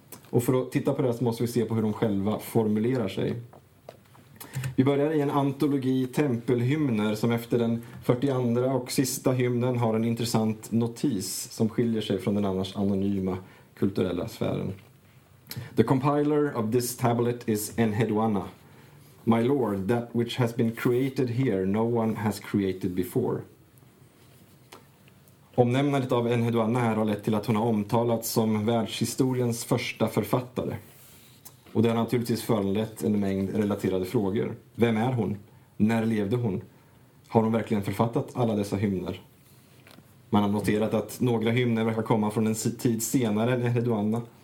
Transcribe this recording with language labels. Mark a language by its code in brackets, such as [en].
[sv] Och för att titta på det så måste vi se på hur de själva formulerar sig. Vi börjar i en antologi tempelhymner som efter den 42 och sista hymnen har en intressant notis som skiljer sig från den annars anonyma kulturella sfären. [en] The compiler of this tablet is Enheduanna. My lord, that which has been created here no one has created before. [sv] Omnämnandet av Enheduanna här har lett till att hon har omtalats som världshistoriens första författare. Och det har naturligtvis föranlett en mängd relaterade frågor. Vem är hon? När levde hon? Har hon verkligen författat alla dessa hymner? Man har noterat att några hymner verkar komma från en tid senare än Enheduanna.